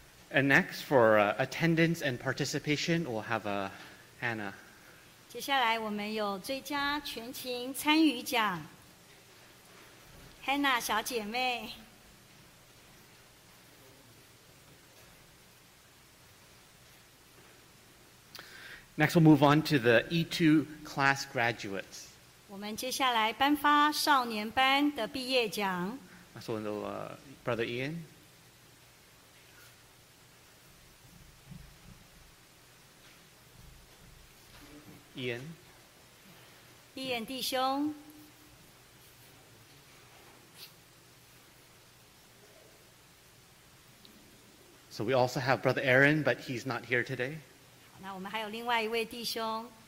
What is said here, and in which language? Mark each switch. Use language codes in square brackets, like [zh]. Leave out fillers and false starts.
[en] And next, for attendance and participation, we'll have Hannah. [zh] 接下来我们有最佳全勤参与奖. Hannah 小姐妹. [en] Next, we'll move on to the E2 class graduates. [zh] 我们接下来颁发少年班的毕业奖. [en] So, Brother Ian. Ian. [zh] Ian 弟兄. [en] So we also have Brother Aaron, but he's not here today. [zh] 那我们还有另外一位弟兄.